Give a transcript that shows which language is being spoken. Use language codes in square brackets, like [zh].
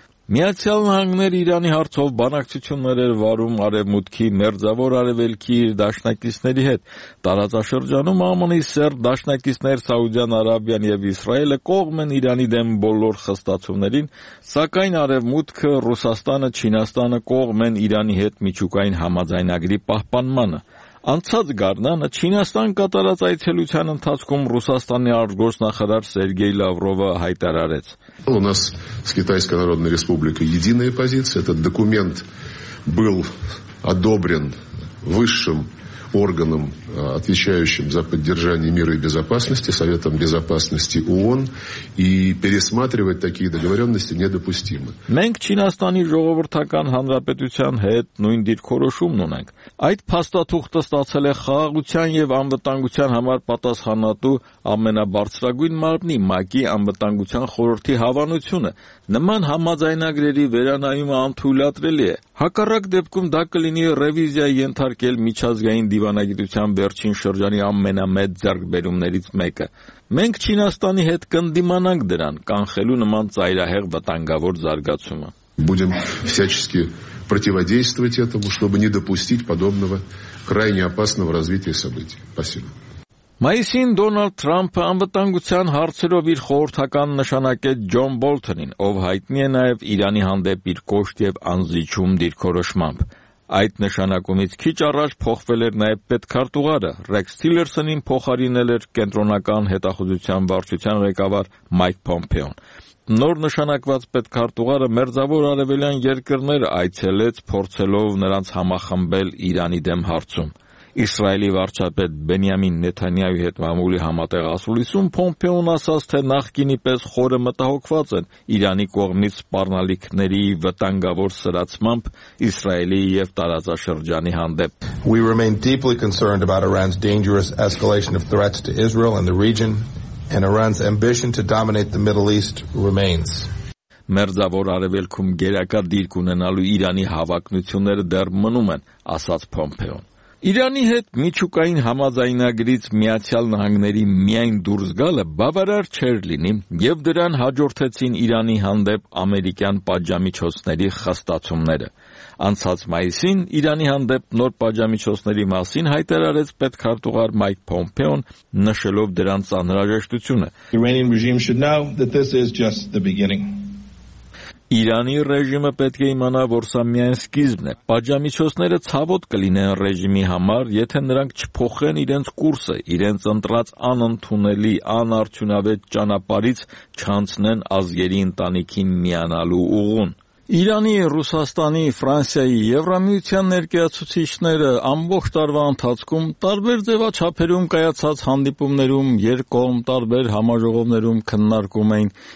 [hy] Միացյալ Նահանգները Իրանի հարցով բանակցություններ էր վարում արևմուտքի մերձավոր արևելքի իր դաշնակիցների հետ։ Տարածաշրջանում ԱՄՆ-ի սեր դաշնակիցներ Սաուդյան Արաբիան եւ Իսրայելը կողմ են Իրանի դեմ բոլոր խստացումներին, սակայն արևմուտքը, Ռուսաստանը, Չինաստանը կողմ են Իրանի հետ միջուկային համաձայնագրի պահպանմանը։ Անցած գարնանը Չինաստան կատարած այցելության ընթացքում Ռուսաստանի արտգործնախարար Սերգեյ Լավրովը հայտարարեց. [ru] У нас с Китайской Народной Республикой единая позиция. Этот документ был одобрен высшим органом, отвечающим за поддержание мира и безопасности, Советом Безопасности ООН, и пересматривать такие договоренности недопустимо. [hy] Մենք Չինաստանի ժողովրդական հանրապետության հետ նույն դիրքորոշումն ունենք։ Այդ փաստաթուղթը ստացել է խաղաղության եւ անվտանգության համար պատասխանատու ամենաբարձրագույն մարմնի ՄԱԿ-ի անվտանգության խորհրդի հավանությունը։ Նման համաձայնագրերի վերանայումը անթույլատրելի է։ Հակառակ դեպքում դա կլինի ռևիզիա ենթարկել միջազգային դիվանագիտության վերջին շրջանի ամենամեծ ձեռքբերումներից մեկը։ Մենք Չինաստանի հետ կնդիմանանք դրան, կանխելու նման ծայրահեղ վտանգավոր զարգացումը։ [ru] Будем всячески противодействовать этому, чтобы не допустить подобного крайне опасного развития событий. Спасибо. [hy] Մայիսին Դոնալդ Թրամփը անվտանգության հարցերով իր խորհրդական նշանակեց Ջոն Բոլթոնին, ով հայտնի է նաև Իրանի հանդեպ իր կոշտ և անզիջում դիրքորոշմամբ։ Այդ նշանակումից քիչ առաջ փոխվել էր նաև պետքարտուղարը, Ռեքս Թիլերսոնին փոխարինել էր կենտրոնական հետախուզության վարչության ղեկավար Մայք Փոմպեոն։ Նոր նշանակված պետքարտուղարը մերձավոր արևելյան երկրներ այցելեց, փորձելով նրանց համախմբել Իրանի դեմ հարցում։ Իսրայելի վարչապետ Բենյամին Նեթանյահու հետ մամուլի համատեղ ասուլիսում Փոմպեոն ասաց, թե նախկինի պես խորը մտահոգված են Իրանի կողմից սպառնալիքների վտանգավոր սրացմամբ Իսրայելի եւ տարածաշրջանի հանդեպ։ [en] We remain deeply concerned about Iran's dangerous escalation of threats to Israel and the region, and Iran's ambition to dominate the Middle East remains. [hy] մերձավոր արևելքում գերակա դիրք ունենալու Իրանի հավակնությունները դեռ մնում են, ասաց Փոմպեոն։ Իրանի հետ միջուկային համաձայնագրից Միացյալ Նահանգների միայն դուրս գալը բավարար չէր լինի, և դրան հաջորդեցին Իրանի հանդեպ ամերիկյան պատժամիջոցների խստացումները։ Անցած մայիսին Իրանի հանդեպ նոր պատժամիջոցների մասին հայտարարեց պետքարտուղար Մայք Փոմպեոն, նշելով դրանց անհրաժեշտությունը. [en] Iranian regime should know that this is just the beginning. [hy] Իրանի ռեժիմը պետք է իմանա, որ սա միայն սկիզբն է։ Պատժամիջոցները ցավոտ կլինեն ռեժիմի համար, եթե նրանք չփոխեն իրենց կուրսը, իրենց ընտրած անընդունելի, անարդյունավետ ճանապարից չանցնեն ազգերի ընտանիքին միանալու ուղին։ Իրանի, Ռուսաստանի, Ֆրանսիայի, Եվրամիության ներկայացուցիչները ամբողջ տարվա ընթացքում տարբեր ձևաչափերում կայացած հանդիպումներում երկկողմ տարբեր համաժողովներում քննարկում էին